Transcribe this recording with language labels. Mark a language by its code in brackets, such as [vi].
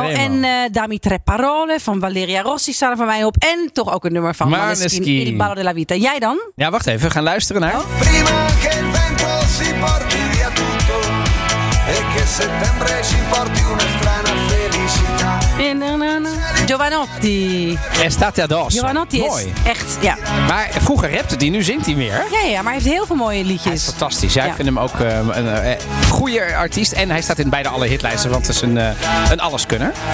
[nl] En Dami Tre Parole van Valeria Rossi staan er van mij op. En toch ook een nummer van Maneskin, Il Ballo della Vita. Jij dan? Ja, wacht even. We gaan luisteren naar. [it] Prima che il vento si porti via tutto. E che settembre ci porti una strana felicità. [nl] Giovanotti. Estate addosso. Giovanotti mooi. Is echt, ja. Maar vroeger rapte die, nu zingt hij meer. Ja, ja, maar hij heeft heel veel mooie liedjes. Hij is fantastisch. Ja, ja. Ik vind hem ook een goede artiest. En hij staat in bijna alle hitlijsten, want het is een alleskunner.